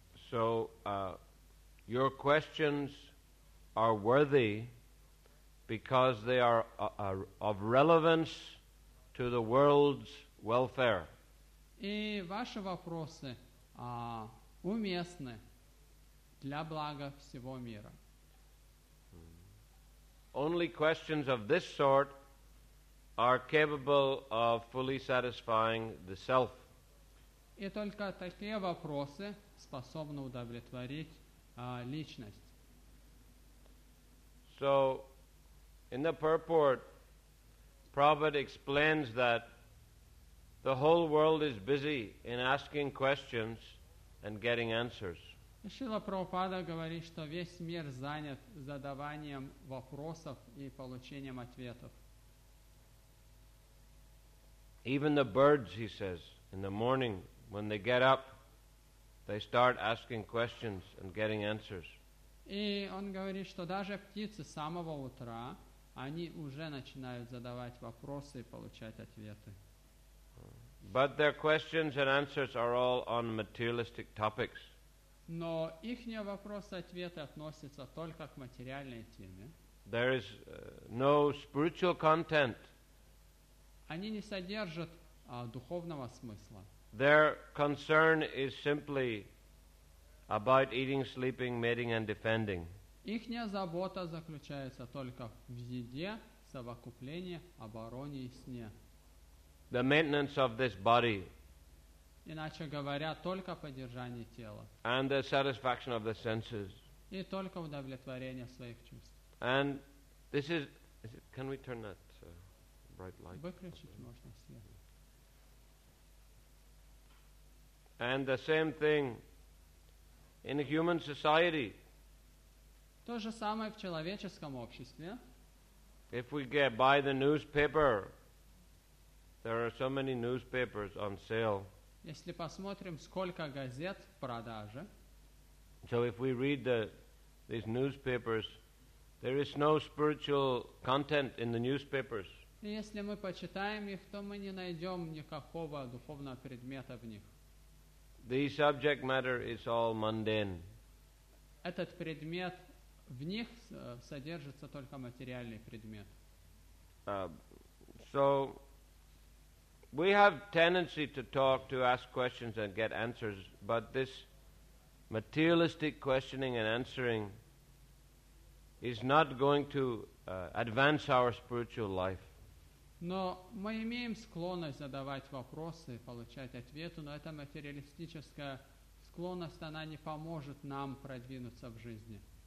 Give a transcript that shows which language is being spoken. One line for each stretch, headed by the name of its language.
English: So, your questions are worthy because they are of relevance to the world's welfare.
Russian: И ваши вопросы уместны для блага всего мира.
English: Only questions of this sort are capable of fully satisfying the self.
Russian: И только такие вопросы способны удовлетворить личность.
English: So, in the purport, Prabhupada explains that the whole world is busy in asking questions and getting answers.
Russian: Шрила Прабхупада говорит, что весь мир занят задаванием вопросов и получением ответов.
English: Even the birds, he says, in the morning, when they get up, they start asking questions and getting answers.
Russian: И он говорит, что даже птицы с самого утра, они уже начинают задавать вопросы и получать ответы.
English: But their questions and answers are all on materialistic topics.
Russian: Но ихние вопросы-ответы относятся только к материальной теме.
English: There is no spiritual content.
Russian: Они не содержат духовного смысла.
English: Their concern is simply about eating, sleeping, mating and defending.
Russian: Ихняя забота заключается только в еде, совокуплении, обороне и сне.
English: The maintenance of this body.
Russian: Иначе говоря, только поддержание тела.
English: And the satisfaction of the senses.
Russian: И только удовлетворение своих чувств.
English: And this is, can we turn that bright light?
Russian: Выключить можно свет.
English: And the same thing in a human society.
Russian: То же самое в человеческом обществе.
English: If we get by the newspaper, there are so many newspapers on sale.
Russian: Если посмотрим, сколько газет в продаже.
English: So if we read these newspapers, there is no spiritual content in the newspapers.
Russian: Если мы почитаем их, то мы не найдем никакого духовного предмета в них.
English: The subject matter is all mundane.
Russian: Этот предмет, в них содержится только материальный предмет.
English: So, we have tendency to talk, to ask questions and get answers, but this materialistic questioning and answering is not going to advance our spiritual life.
Russian: Но мы имеем склонность задавать вопросы, получать ответы, но эта материалистическая склонность, она не поможет нам продвинуться в жизни.